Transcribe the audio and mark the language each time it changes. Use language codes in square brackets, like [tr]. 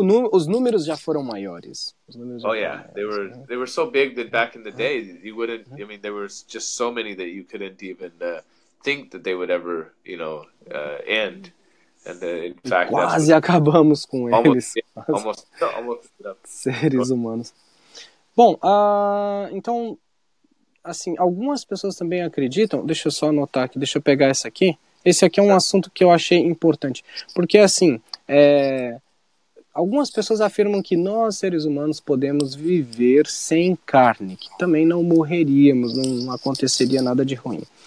[pt] Os números já foram maiores. [en] They were so big that back in the day you wouldn't. I mean, there were just so many that you couldn't even think that they would ever, you know, end. And in fact, [pt] quase acabamos com eles. [en] Almost [pt] seres humanos. Bom, então, assim, algumas pessoas também acreditam. Deixa eu só anotar aqui. Deixa eu pegar essa aqui. Esse aqui é um assunto que eu achei importante, porque assim, algumas pessoas afirmam que nós, seres humanos, podemos viver sem carne, que também não morreríamos, não aconteceria nada de ruim.